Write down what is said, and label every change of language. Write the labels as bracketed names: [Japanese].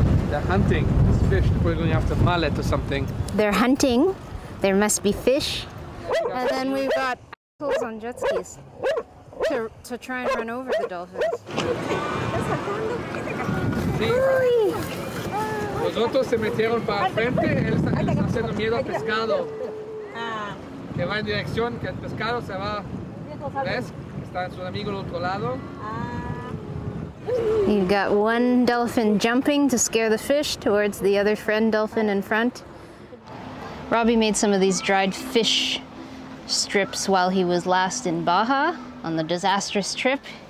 [English] They're hunting. This fish, they're probably going after mallet or something. They're hunting. There must be fish. And then we've got assholes on jet skis to try and run over the dolphins. [Spanish] Los otros se metieron para frente, él está haciendo miedo al pescado. Que va en dirección, que el pescado se va. ¿Ves? Está su amigo al otro lado. [English] You've got one dolphin jumping to scare the fish towards the other friend dolphin in front. Robbie made some of these dried fish strips while he was last in Baja on the disastrous trip.